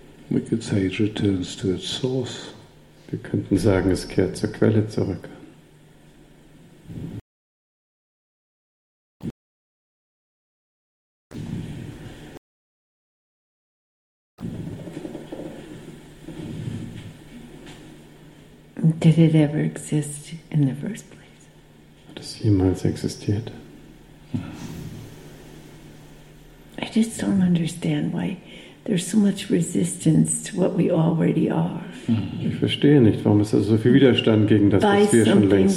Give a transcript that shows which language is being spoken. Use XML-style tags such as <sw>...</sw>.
<en>We could say it returns to its source.</en> <de>Wir könnten sagen, es kehrt zur Quelle zurück.</de> <en>Did it ever exist in the first place?</en> <de>Hat es jemals existiert?</de> <en>I just don't understand why there's so much resistance to what we already are.</en> <de>Ich verstehe nicht, warum es so viel Widerstand gegen das, was wir schon längst</de>